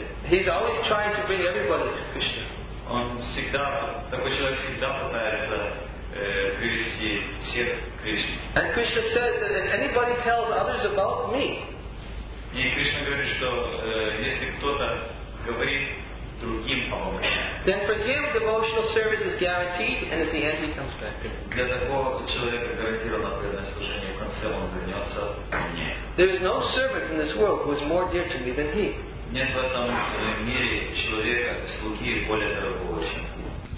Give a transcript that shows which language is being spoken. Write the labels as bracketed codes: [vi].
[en] He's always trying to bring everybody to Krishna. [ru] Он всегда, такой человек всегда пытается привести всех к Кришне. [en] And Krishna says that if anybody tells others about me, [ru] И Кришна говорит, что если кто-то говорит другим о Боге, [en] then forgive, devotional service is guaranteed, and at the end he comes back to me. [ru] Для такого человека гарантировано преданное служение, в конце он вернется к мне. [en] There is no servant in this world who is more dear to me than he. [ru] Нет в этом мире человека, слуги более дорогого, чем он.